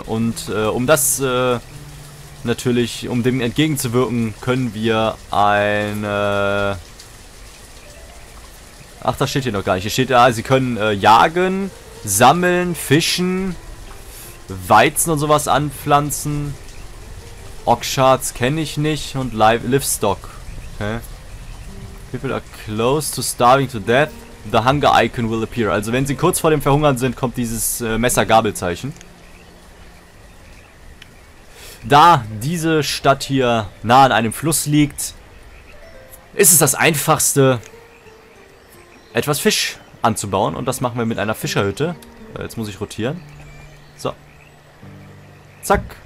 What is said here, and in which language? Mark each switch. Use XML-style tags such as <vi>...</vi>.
<de>Und um das natürlich, um dem entgegenzuwirken, können wir ein... Ach, das steht hier noch gar nicht. Hier steht, sie können jagen, sammeln, fischen, Weizen und sowas anpflanzen. Ox-Shards kenne ich nicht. Und Livestock. Okay.</de> <en>People are close to starving to death. The Hunger Icon will appear.</en> <de>Also wenn sie kurz vor dem Verhungern sind, kommt dieses Messer-Gabel-Zeichen. Da diese Stadt hier nah an einem Fluss liegt, ist es das Einfachste, etwas Fisch anzubauen. Und das machen wir mit einer Fischerhütte. Jetzt muss ich rotieren. So. Zack.</de>